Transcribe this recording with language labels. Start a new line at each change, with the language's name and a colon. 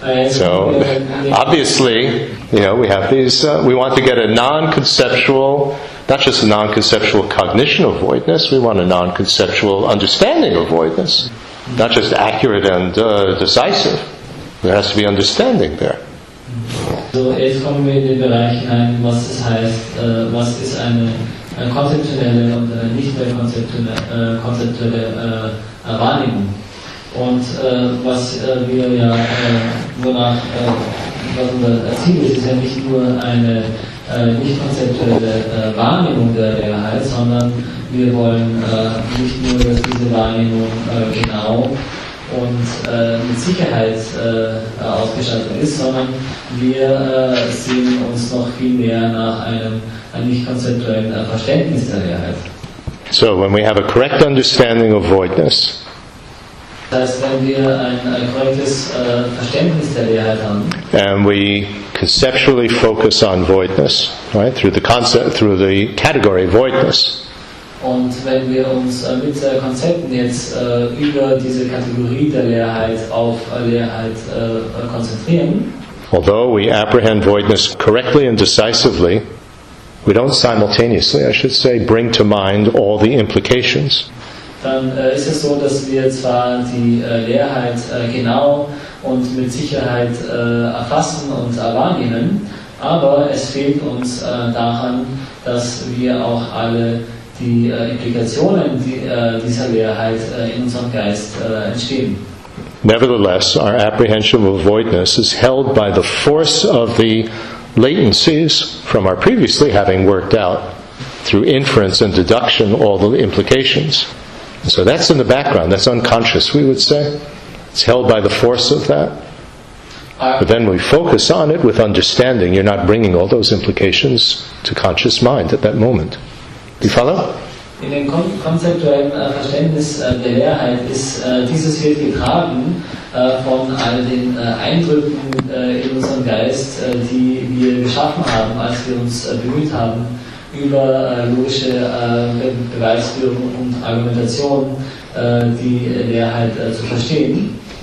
English: So, obviously, you know, we have these, we want to get a non-conceptual, not just a non-conceptual cognition of voidness, we want a non-conceptual understanding of voidness, not just accurate and decisive. There has to be understanding there.
German: So, jetzt kommen wir in den Bereich hinein, was es heißt, was ist eine konzeptionelle und eine nicht mehr konzeptuelle Wahrnehmung. Und was wir ja, wonach, was unser Ziel ist, ist ja nicht nur eine nicht konzeptuelle Wahrnehmung der Realität, sondern wir wollen nicht nur, dass diese Wahrnehmung genau und mit Sicherheit ausgestattet ist, sondern wir sehen uns noch viel mehr nach einem nicht konzeptuellen Verständnis der Leerheit.
English: So, when we have a correct understanding of voidness.
German: Das heißt, wenn wir ein korrektes Verständnis der Leerheit haben.
English: And we conceptually focus on voidness, right? Through the concept, through the category voidness.
German: Und wenn wir uns mit Konzepten jetzt über diese Kategorie der Leerheit auf Leerheit konzentrieren,
English: although we apprehend voidness correctly and decisively, We don't simultaneously, I should say, bring to mind all the implications.
German: Dann ist es so, dass wir zwar die Leerheit genau und mit Sicherheit erfassen und wahrnehmen, aber es fehlt uns daran, dass wir auch alle die Implikationen dieser Leerheit in unserem Geist entstehen.
English: Nevertheless, our apprehension of voidness is held by the force of the latencies from our previously having worked out through inference and deduction all the implications. So that's in the background, that's unconscious, we would say. It's held by the force of that. But then we focus on it with understanding, you're not bringing all those implications to conscious mind at that moment. Do you follow?
German: In dem konzeptuellen Verständnis der Leerheit ist dieses hier getragen von all den Eindrücken in unserem Geist, die wir geschaffen haben, als wir uns bemüht haben, über logische Beweisführung und Argumentation die Leerheit zu verstehen.